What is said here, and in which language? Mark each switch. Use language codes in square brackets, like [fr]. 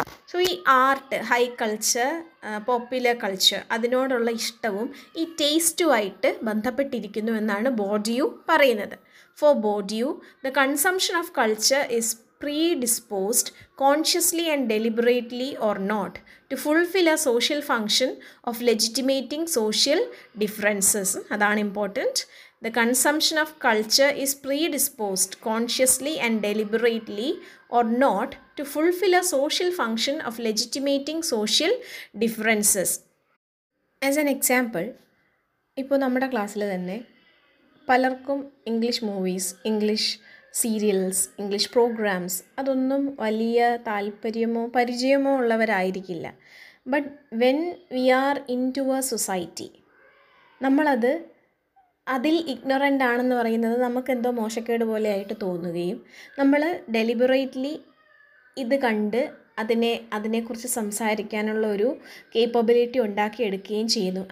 [ml] So ഈ art, high culture, popular culture, അതിനോടുള്ള ഇഷ്ടവും ഈ ടേസ്റ്റുമായിട്ട് ബന്ധപ്പെട്ടിരിക്കുന്നു എന്നാണ് ബോർഡിയു പറയുന്നത്. [en] For Bourdieu, the consumption of culture is predisposed consciously and deliberately or not to fulfil a social function of legitimating social differences. [ml] അതാണ് important. [en] The consumption of culture is predisposed consciously and deliberately or not to fulfill a social function of legitimating social differences. As an example, [ml] ഇപ്പോൾ നമ്മുടെ ക്ലാസ്സിൽ തന്നെ പലർക്കും English movies, English serials, English programmes അതൊന്നും വലിയ താല്പര്യമോ പരിചയമോ ഉള്ളവരായിരിക്കില്ല. [en] but when we are into a society, [ml] നമ്മളത് അതിൽ ignorant ആണെന്ന് പറയുന്നത് നമുക്കെന്തോ മോശക്കേട് പോലെയായിട്ട് തോന്നുകയും നമ്മൾ ഡെലിബറേറ്റ്ലി ഇത് കണ്ട് അതിനെക്കുറിച്ച് സംസാരിക്കാനുള്ള ഒരു കേപ്പബിലിറ്റി ഉണ്ടാക്കിയെടുക്കുകയും ചെയ്യുന്നു.